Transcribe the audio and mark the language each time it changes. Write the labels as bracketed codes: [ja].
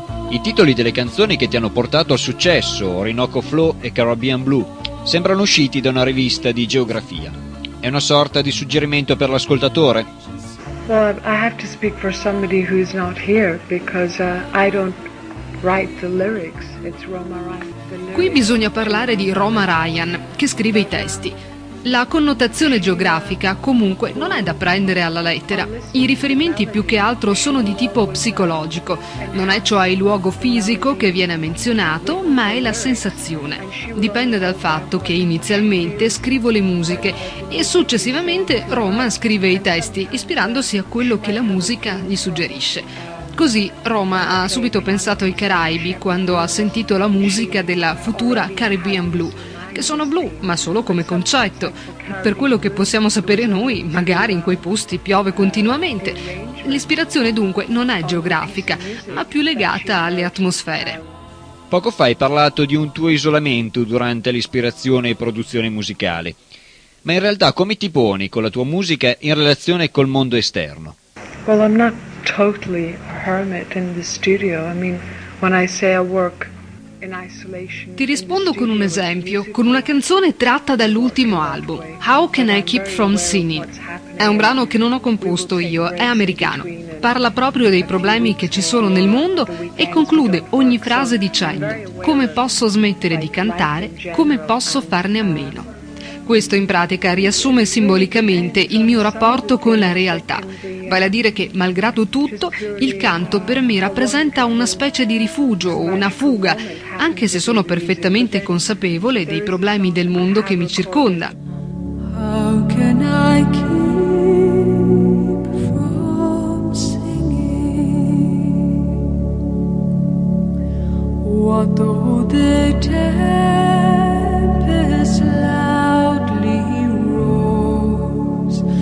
[it] I titoli delle canzoni che ti hanno portato al successo, Orinoco Flow e Caribbean Blue, sembrano usciti da una rivista di geografia. È una sorta di suggerimento per l'ascoltatore? [en] Well, I have to speak for somebody who's not here because I don't write the lyrics. It's Roma Ryan. [it] Qui bisogna parlare di Roma Ryan, che scrive i testi. La connotazione geografica, comunque, non è da prendere alla lettera. I riferimenti più che altro sono di tipo psicologico. Non è cioè il luogo fisico che viene menzionato, ma è la sensazione. Dipende dal fatto che inizialmente scrivo le musiche e successivamente Roma scrive i testi, ispirandosi a quello che la musica gli suggerisce. Così Roma ha subito pensato ai Caraibi quando ha sentito la musica della futura Caribbean Blue, che sono blu, ma solo come concetto. Per quello che possiamo sapere noi, magari in quei posti piove continuamente. L'ispirazione dunque non è geografica, ma più legata alle atmosfere. Poco fa hai parlato di un tuo isolamento durante l'ispirazione e produzione musicale. Ma in realtà come ti poni con la tua musica in relazione col mondo esterno? [en] Well, I'm not totally a hermit in the studio. I mean, when I say I work. [it] Ti rispondo con un esempio, con una canzone tratta dall'ultimo album, How Can I Keep From Sinning? È un brano che non ho composto io, è americano. Parla proprio dei problemi che ci sono nel mondo e conclude ogni frase dicendo come posso smettere di cantare, come posso farne a meno. Questo in pratica riassume simbolicamente il mio rapporto con la realtà. Vale a dire che, malgrado tutto, il canto per me rappresenta una specie di rifugio o una fuga, anche se sono perfettamente consapevole dei problemi del mondo che mi circonda. [en] How can I keep from singing? What though the tempest loudly roars?